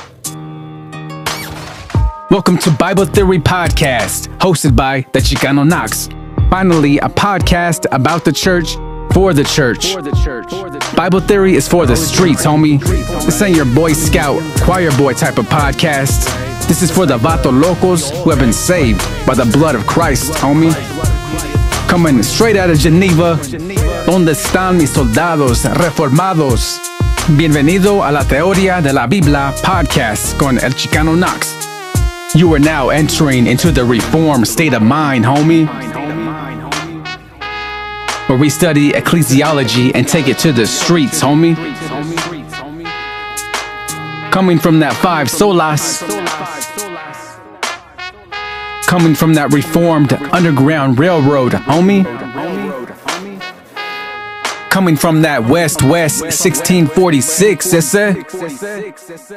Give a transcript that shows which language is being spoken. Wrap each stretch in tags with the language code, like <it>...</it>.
<en>Welcome to Bible Theory Podcast, hosted by the Chicano Knox. Finally, a podcast about the church, for the church. Bible Theory is for the streets, homie. This ain't your Boy Scout, choir boy type of podcast. This is for the vato locos who have been saved by the blood of Christ, homie. Coming straight out of Geneva,</en> <es>donde están mis soldados reformados. Bienvenido a la Teoría de la Biblia Podcast con el Chicano Knox.</es> <en>You are now entering into the Reformed state of mind, homie, where we study ecclesiology and take it to the streets, homie. Coming from that five solas, coming from that Reformed Underground Railroad, homie, coming from that West 1646, esse.</en>